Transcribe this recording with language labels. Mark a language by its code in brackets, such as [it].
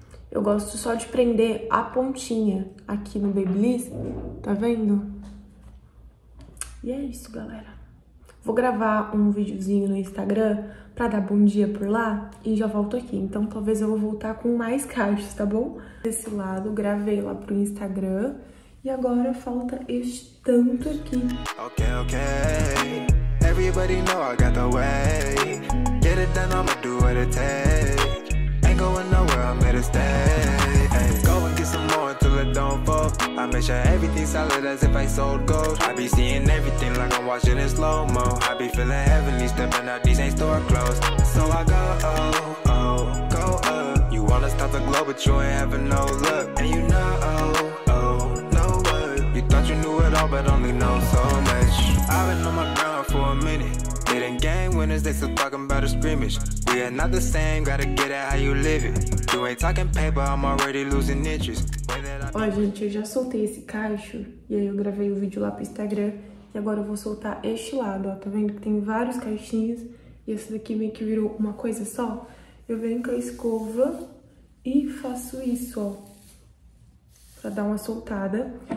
[pt] Eu gosto só de prender a pontinha aqui no Babyliss, tá vendo? E é isso, galera. Vou gravar um videozinho no Instagram pra dar bom dia por lá e já volto aqui. Então, talvez eu vou voltar com mais cachos, tá bom? Desse lado, gravei lá pro Instagram e agora falta este tanto aqui. Ok, ok. [en] Everybody know I got the way. Get it done, I'ma do what it takes. Ain't going nowhere, I'm here to stay. Hey. Go and get some more until it don't fall. I make sure everything solid as if I sold gold. I be seeing everything like I'm watching in slow-mo. I be feeling heavenly, stepping out these ain't store clothes. So I go, oh, oh, go up. You wanna stop the glow, but you ain't having no luck. And you know, oh, no word. You thought you knew it all, but only know so much. I've been on my ground for a minute. Hitting game winners, they still talking about a scrimmage. We are not the same, gotta get at how you live it. You ain't talking paper, I'm already losing interest. [pt] Ó, gente, eu já soltei esse cacho e aí eu gravei o vídeo lá pro Instagram e agora eu vou soltar este lado, ó. Tá vendo que tem vários cachinhos e esse daqui meio que virou uma coisa só? Eu venho com a escova e faço isso, ó, pra dar uma soltada.